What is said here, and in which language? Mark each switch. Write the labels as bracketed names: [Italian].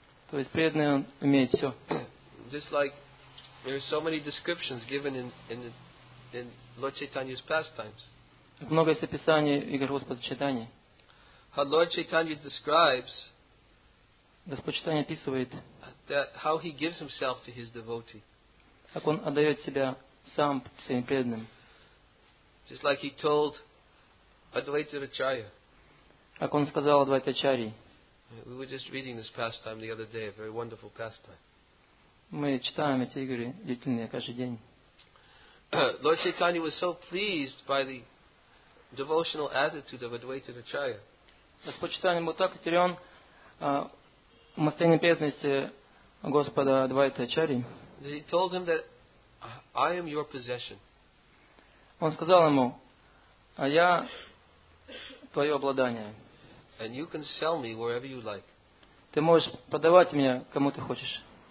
[Russian] То есть преданный он имеет все. [English] Just like there are so many descriptions given in Lord Chaitanya's pastimes. [Russian] Много есть описаний в играх Господа Чайтаньи. [English] How Lord Chaitanya describes. [Russian] Господь Чайтанья описывает. [English] That how he gives himself to his devotee. [Russian] Как он отдает себя сам своим преданным. [English] Just like he told Advaita Acharya. [Russian] Как он сказал Адвайта Ачарьи. [English] We were just reading this pastime the other day, a very wonderful pastime. [Russian] Мы читаем эти игры длительные каждый день. [English] Lord Chaitanya was so pleased by the devotional attitude of Advaita Acharya. [Russian] Господь Чайтанья был так удивлен умастением преданности Господа Адвайта Ачарьи. [English] He told him that I am your possession. [Russian] Он сказал ему, а я твое обладание. [English] And you can sell me wherever you like. [Russian] Ты можешь продавать меня кому ты хочешь.